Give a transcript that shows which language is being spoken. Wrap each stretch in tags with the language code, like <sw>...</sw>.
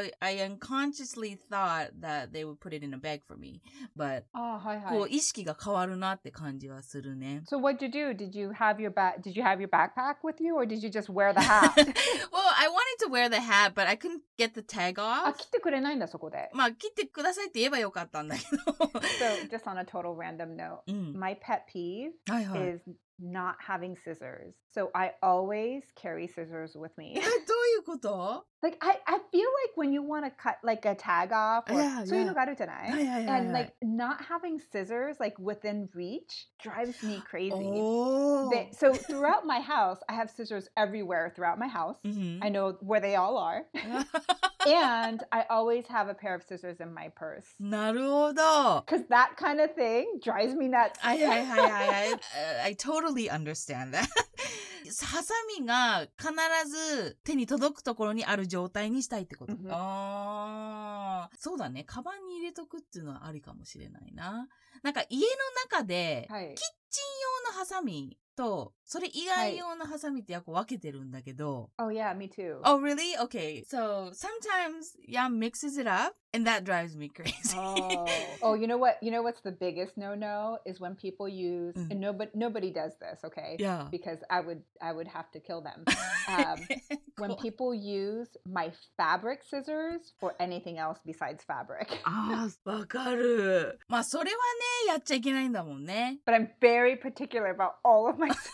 <en>I unconsciously thought that they would put it in a bag for me. But,</en> <ja>こう意識が変わるなって感じはするね。</ja> <en>So what did you do? Did you have your backpack with you or did you just wear the hat? Well, I wanted to wear the hat, but I couldn't get the tag off.</en> <ja>あ、切ってくれないんだ、そこで。まあ、切ってくださいって言えばよかったんだけど。</ja> <en>So, just on a total random note,、my pet peeve、is... Not having scissors. So I always carry scissors with me.</en> <ja>どういうこと?</ja> <en>Like, I feel like when you want to cut like a tag off, or,</en> <ja>そういうのがあるじゃない?</ja> <en>And like, not having scissors like within reach drives me crazy. So throughout my house, I have scissors everywhere throughout my house. I know where they all are. And I always have a pair of scissors in my purse.</en> <ja>なるほど。</ja> <en>Because that kind of thing drives me nuts. I totally understand that.</en> <ja>ハサミが必ず手に届くところにある状態にしたいってこと。 Mm-hmm. あー。そうだね。カバンに入れとくっていうのはありかもしれないな。なんか家の中で、はい、キッチン用のハサミとそれ以外用のハサミってやっぱ分けてるんだけど。</ja> <en>Oh yeah, me too. Oh really? Okay. So sometimes Yam mixes it up and that drives me crazy. Oh. Oh, you know what? You know what's the biggest no-no is when people use、mm. and nobody does this, okay? Yeah. Because I would have to kill them. cool. When people use my fabric scissors for anything else besides fabric.</en> <ja>Ah, わかる。まあそれはね、やっちゃいけないんだもんね。</ja> <en>But I'm very particular about all of my</en>